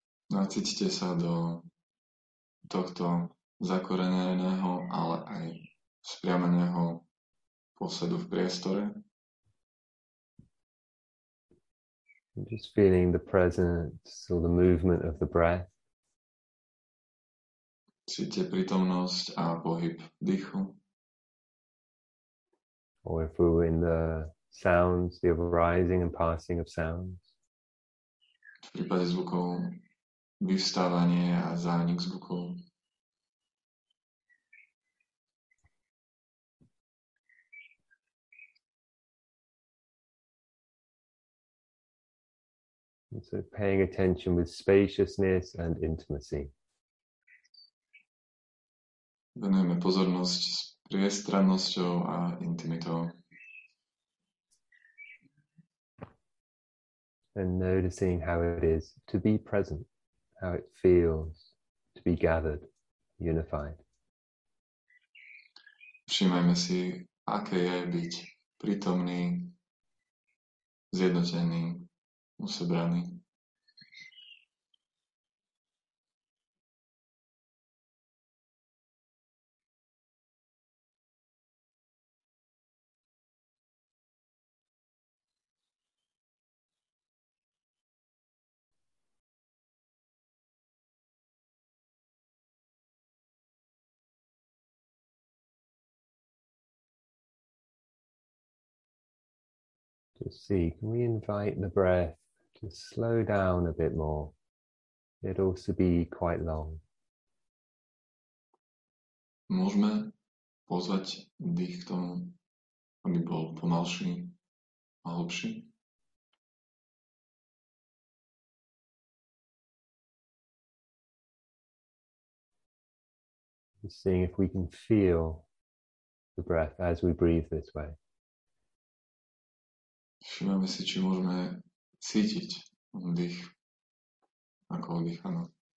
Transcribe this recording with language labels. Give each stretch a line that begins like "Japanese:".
Slovak: No, cítite sa do tohto zakoreneného, ale aj spriameného posedu v priestore.
English: I'm just feeling the presence or the movement of the breath.
Slovak: Cítite prítomnosť a pohyb dýchu.
English: Or if we're in the sounds, the arising and passing of sounds.
Slovak: V prípade zvukov vyvstávanie a zánik zvukov.
English: And so paying attention with spaciousness and intimacy.
Slovak: Venujeme pozornosť s priestrannosťou a intimitou.
English: And noticing how it is to be present, how it feels to be gathered, unified.
Slovak: Všimajme si, aké je byť prítomný, zjednotený, usebraný.
English: See, can we invite the breath to slow down a bit more? It'll also be quite long.
Slovak: Môžeme pozvať dých k tomu, aby bol pomalší a hlbší.
English: Just seeing if we can feel the breath as we breathe this way.
Slovak: Všimáme si, či môžeme cítiť dých, ako oddychano.